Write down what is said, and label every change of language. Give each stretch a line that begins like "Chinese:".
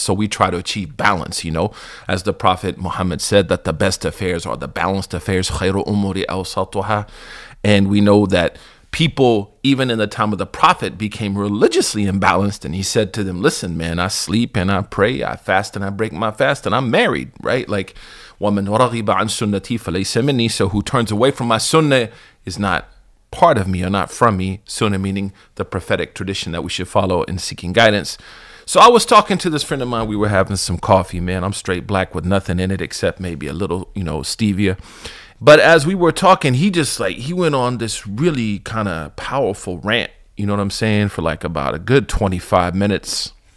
English: So we try to achieve balance, you know, as the Prophet Muhammad said, that the best affairs are the balanced affairs,
Arabic: خير أموري أوسطها.
English: And we know that people, even in the time of the Prophet, became religiously imbalanced. And he said to them, listen, man, I sleep and I pray, I fast and I break my fast, and I'm married, right? Like,
Arabic: وَمَنْ رَغِبَ عَنْ سُنَّتِي فَلَيْسَ مِنِّي.
English: So who turns away from my sunnah is not part of me or not from me. Sunnah meaning the prophetic tradition that we should follow in seeking guidance. So I was talking to this friend of mine. We were having some coffee, man. I'm straight black with nothing in it except maybe a little, you know, stevia. But as we were talking, he just like, he went on this really kind of powerful rant, you know what I'm saying, for like about a good 25 minutes.